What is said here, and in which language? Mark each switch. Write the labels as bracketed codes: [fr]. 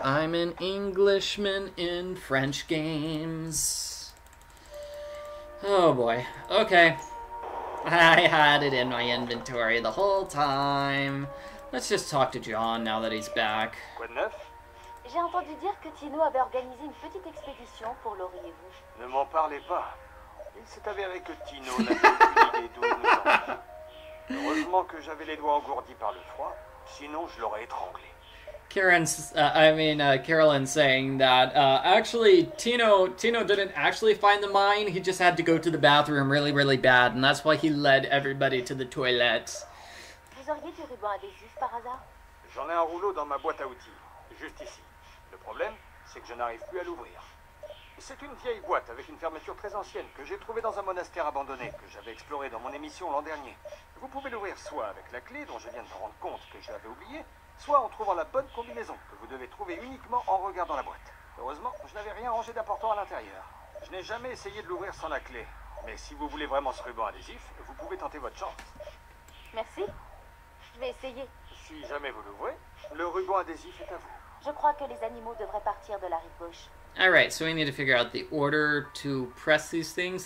[en] I'm an Englishman in French games. Oh boy. Okay. I had it in my inventory the whole time. Let's just talk to John now that he's back. [fr] Quoi de neuf? J'ai entendu dire que Tino avait organisé une petite expédition pour l'auriez-vous. Ne m'en parlez pas. Il s'est avéré que Tino n'avait aucune idée d'où nous sommes. Heureusement que j'avais les doigts engourdis par le froid, sinon je l'aurais étranglé. Carolyn's saying that, actually, Tino didn't actually find the mine, he just had to go to the bathroom really, really bad, and that's why he led everybody to the toilet. Vous auriez du ruban adhésif, par hasard? J'en ai un rouleau dans ma boîte à outils, juste ici. Le problème, c'est que je n'arrive plus à l'ouvrir. C'est une vieille boîte avec une fermeture très ancienne que j'ai trouvée dans un monastère abandonné que j'avais exploré dans mon émission l'an dernier. Vous pouvez l'ouvrir soit avec la clé dont je viens de me rendre compte que j'avais oublié, soit en trouvant la bonne combinaison, que vous devez trouver uniquement en regardant la boîte. Heureusement, je n'avais rien rangé d'important à l'intérieur. Je n'ai jamais essayé de l'ouvrir sans la clé. Mais si vous voulez vraiment ce ruban adhésif, vous pouvez tenter votre chance. Merci. Je vais essayer. Si jamais vous l'ouvrez, le ruban adhésif est à vous. Je crois que les animaux devraient partir de la rive gauche. [en] All right, so we need to figure out the order to press these things.